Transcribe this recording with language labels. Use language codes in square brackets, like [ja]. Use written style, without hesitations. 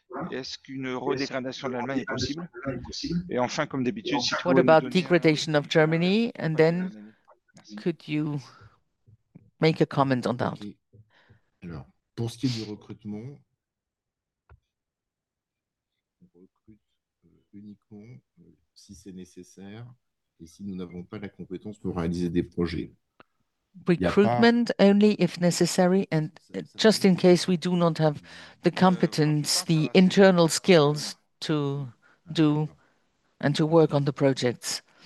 [fr] Est-ce qu'une redégradation de l'Allemagne est possible? Et enfin, comme d'habitude, si [en] what about degradation of Germany? And then, could you make a comment on that? [fr] Alors, pour ce qui est du recrutement, on recrute uniquement si c'est nécessaire et si nous n'avons pas la compétence pour réaliser des projets. [en] Recruitment only if necessary and just in case we do not have the competence, the internal skills to do and to work on the projects.